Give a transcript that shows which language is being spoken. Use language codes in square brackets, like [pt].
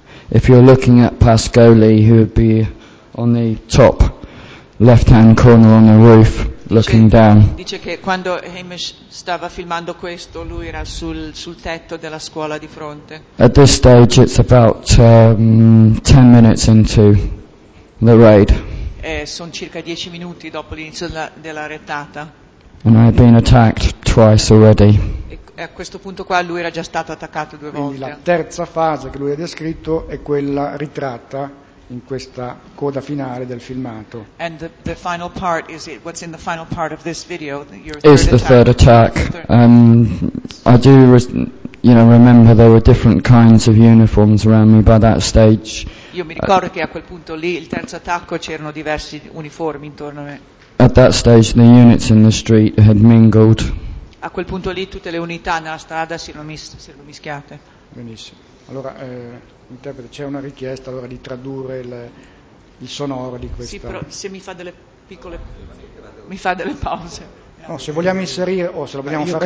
[en] if you're looking at Pascoli, he would be... on the top left-hand corner on the roof, looking down. [it] Dice che quando Hamish stava filmando questo, lui era sul tetto della scuola di fronte. [en] At this stage, it's about 10 minutes into the raid. [it] Sono circa 10 minuti dopo l'inizio della rettata. [en] And I've been attacked twice already. [it] E a questo punto qua lui era già stato attaccato due volte. Quindi la terza fase che lui ha descritto è quella ritratta in questa coda finale del filmato. [en] And the final part is it, what's in the final part of this video? Is the third attack. I do remember there were different kinds of uniforms around me by that stage. [it] Io mi ricordo che a quel punto lì, il terzo attacco, c'erano diversi uniformi intorno a me. [en] At that stage the units in the street had mingled. [it] A quel punto lì tutte le unità nella strada si erano mischiate. Benissimo. Allora, interprete, c'è una richiesta allora di tradurre il sonoro di questa. Sì, però se mi fa delle piccole, mi fa delle pause. No, se vogliamo inserire o se lo vogliamo fare.